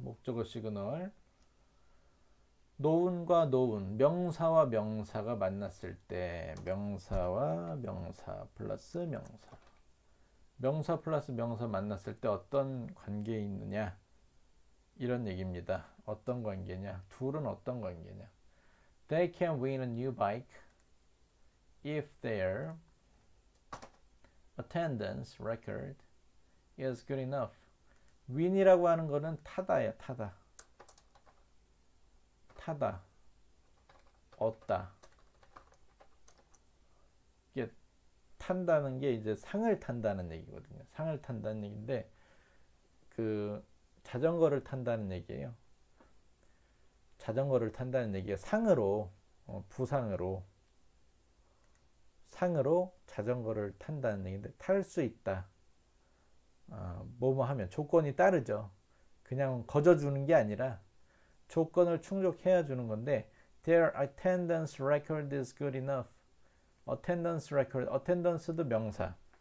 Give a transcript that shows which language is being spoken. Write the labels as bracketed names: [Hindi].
[Korean] 목적어 시그널. 노운과 노운, 명사와 명사가 만났을 때, 명사와 명사 플러스 명사. 명사 플러스 명사 만났을 때 어떤 관계에 있느냐? 이런 얘기입니다. 어떤 관계냐? 둘은 어떤 관계냐? [English] They can win a new bike if their attendance record is good enough. [Korean] Win이라고 하는 거는 타다예요, 타다. 타다, 얻다. 이게 탄다는 게 이제 상을 탄다는 얘기거든요. 상을 탄다는 얘기인데 그 자전거를 탄다는 얘기예요. 자전거를 탄다는 얘기예요. 상으로, 부상으로 상으로 자전거를 탄다는 얘기인데 탈수 있다. 뭐뭐 하면 조건이 따르죠. 그냥 거저 주는 게 아니라. 조건을 충족해야 주는 건데, [English] their attendance record is good enough. [Korean] attendance record, attendance도 명사.